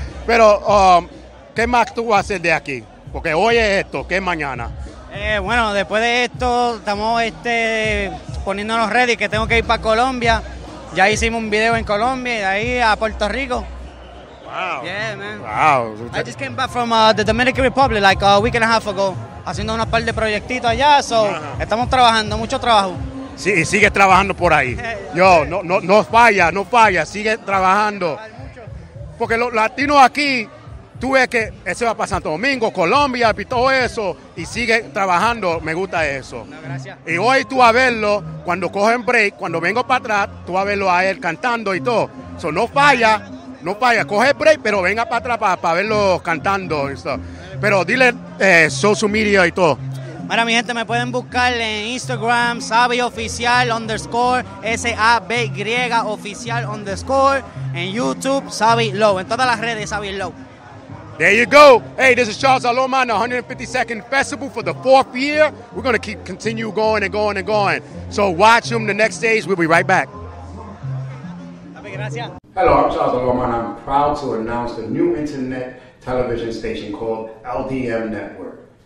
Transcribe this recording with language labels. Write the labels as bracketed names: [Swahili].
[Spanish] Pero, ¿qué más tú vas a hacer de aquí? Porque hoy es esto, ¿qué es mañana? Bueno, después de esto estamos poniéndonos ready, que tengo que ir para Colombia. Ya hicimos un video en Colombia y de ahí a Puerto Rico. [English] Wow. Yeah, man. Wow. I just came back from the Dominican Republic like a week and a half ago. [Spanish] Haciendo unos par de proyectitos allá, Estamos trabajando, mucho trabajo. Sí, y sigue trabajando por ahí. Yo, no falla, sigue trabajando. Porque los latinos aquí, tú ves que eso va para Santo Domingo, Colombia, y todo eso, y sigue trabajando, me gusta eso. Gracias. Y hoy tú vas a verlo, cuando cogen break, cuando vengo para atrás, tú vas a verlo a él cantando y todo. So, no falla, coge break, pero venga para atrás para verlo cantando y todo. Pero dile social media y todo. Mira, mi gente, me pueden buscar en Instagram, SaviOficial_, SABY Oficial_, en YouTube, SaviLo, en todas las redes, SaviLo. [English] There you go. Hey, this is Charles Laloma, the 152nd Festival for the 4th year. We're going to continue going and going and going. So watch them the next days. We'll be right back. Hello, I'm Charles Laloma, and I'm proud to announce a new internet television station called LDM Network.